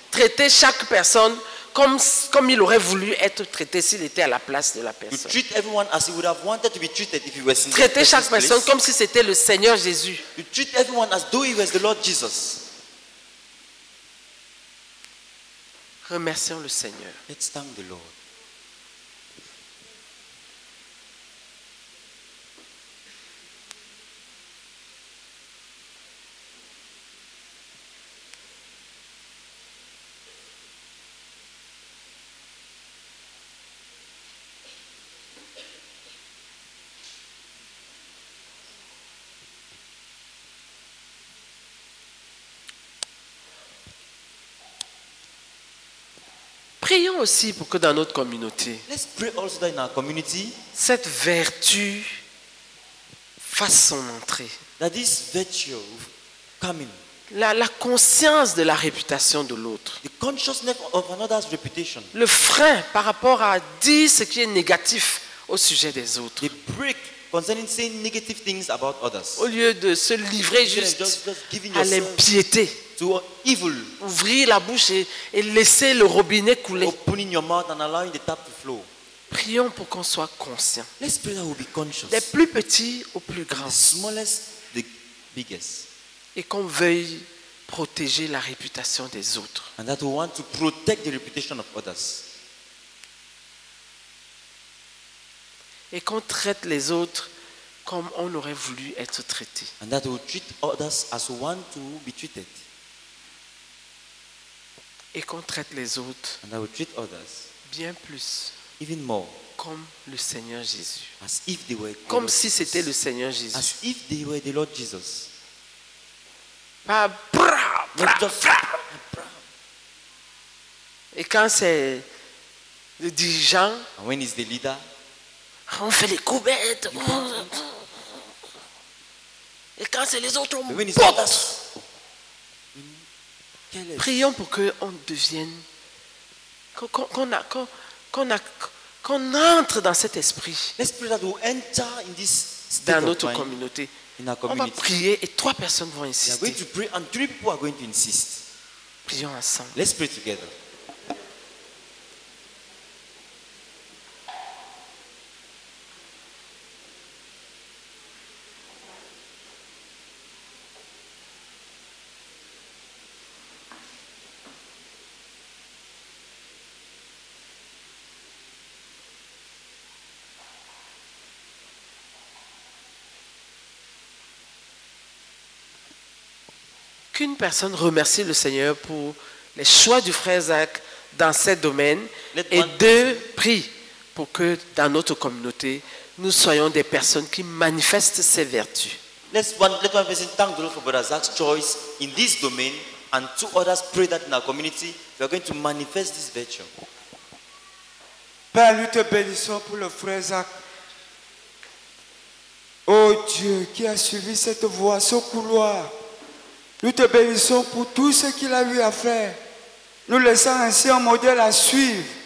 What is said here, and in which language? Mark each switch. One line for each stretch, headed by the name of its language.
French: Traiter chaque personne comme il aurait voulu être traité s'il était à la place de la personne.
English: To treat everyone as he would have wanted to be treated if he was in
French: traiter
English: the place.
French: Chaque personne comme si c'était le Seigneur Jésus.
English: To treat everyone as though he was the Lord Jesus.
French: Remercions le Seigneur.
English: Let's thank the Lord.
French: Prions aussi pour que dans notre communauté,
English: let's pray also that in our community,
French: cette vertu fasse son entrée.
English: That this virtue come in.
French: La conscience de la réputation de l'autre.
English: The consciousness of another's reputation.
French: Le frein par rapport à dire ce qui est négatif au sujet des autres.
English: The break concerning saying negative things about others.
French: Au lieu de se livrer juste
English: just giving yourself
French: à l'impiété.
English: To evil.
French: Ouvrir la bouche et laisser le robinet couler.
English: Opening your mouth and allowing the tap to flow.
French: Prions pour qu'on soit conscient.
English: Let's pray that we'll be conscious.
French: Des plus petits aux plus grands.
English: The smallest, the biggest.
French: Et qu'on veuille protéger la réputation des autres.
English: And that we want to protect the reputation of others.
French: Et qu'on traite les autres comme on aurait voulu être traité.
English: And that we treat others as we want to be treated.
French: Et qu'on traite les autres
English: and that we treat others
French: bien plus
English: even more
French: comme le Seigneur Jésus.
English: As if they were
French: comme si c'était le Seigneur Jésus.
English: As if they were the Lord Jesus.
French: Pas bra, bra, bra, bra. Et quand c'est le dirigeant,
English: and when is the leader,
French: on fait les coubettes. Et quand c'est les autres, on porte. Prions pour qu'on devienne, qu'on entre dans cet esprit.
English: Let's pray that we enter in this
French: dans notre communauté.
English: In our community.
French: On va prier et trois personnes vont insister.
English: We are going to pray and three people are going to insist.
French: Prions ensemble.
English: Let's pray together.
French: Qu'une personne remercie le Seigneur pour les choix du frère Zach dans ce domaine et deux prient pour que dans notre communauté nous soyons des personnes qui manifestent ces vertus.
English: Let one person thank the Lord for Brother Zach's choice in this domain and two others pray that in our community we are going to manifest this virtue.
French: Père, nous te bénissons pour le frère Zach. Oh Dieu, qui a suivi cette voie, ce couloir. Nous te bénissons pour tout ce qu'il a eu à faire, nous laissant ainsi un modèle à suivre.